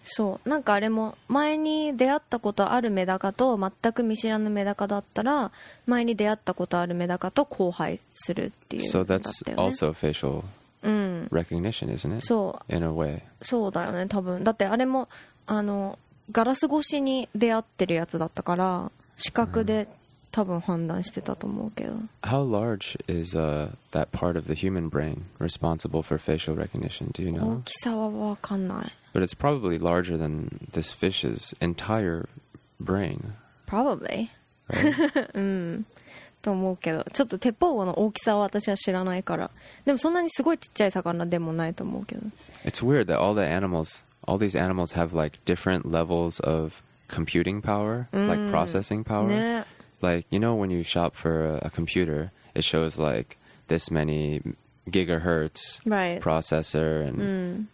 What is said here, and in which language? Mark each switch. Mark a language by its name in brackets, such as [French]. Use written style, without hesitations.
[Japanese] そう、なんかあれも前に出会ったことあるメダカと全く見知らぬメダカだったら、前に出会ったことあるメダカと交配するっていう。 [English] So that's also facial recognition, isn't it? [Japanese] そう。 [English] In a way. [Japanese] そうだよね、多分。だってあれもあのガラス越しに出会ってるやつだったから、視覚で多分判断してたと思うけど。 [English] How large is that part of the human brain responsible for facial recognition? Do you know? [Japanese] 大きさは分かんない。 [English] But it's probably larger than this fish's entire brain. Probably. Right? [Japanese] うん。と思うけど、ちょっと鉄砲魚の大きさは私は知らないから。でもそんなにすごいちっちゃい魚でもないと思うけど。 [English] It's weird that all these animals have like different levels of computing power, like processing power. [Japanese] ね。 [English] Like, you know when you shop for a computer it shows like this many gigahertz right. processor and mm.